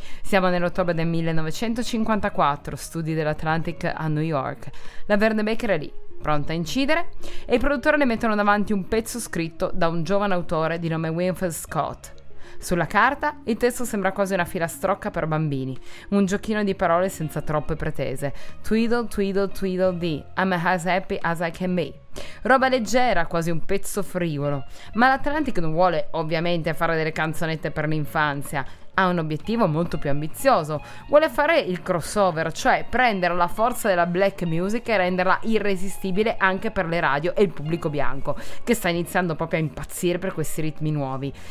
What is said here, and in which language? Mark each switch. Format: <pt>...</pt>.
<it>Siamo nell'ottobre del 1954, studi dell'Atlantic a New York. Laverne Baker è lì, pronta a incidere, e i produttori le mettono davanti un pezzo scritto da un giovane autore di nome Winfield Scott. Sulla carta il testo sembra quasi una filastrocca per bambini, un giochino di parole senza troppe pretese.</it> <en>Tweedle, tweedle, tweedle dee, I'm as happy as I can be.</en> <it>Roba leggera, quasi un pezzo frivolo. Ma l'Atlantic non vuole ovviamente fare delle canzonette per l'infanzia, ha un obiettivo molto più ambizioso. Vuole fare il crossover, cioè prendere la forza della black music e renderla irresistibile anche per le radio e il pubblico bianco, che sta iniziando proprio a impazzire per questi ritmi nuovi.</it>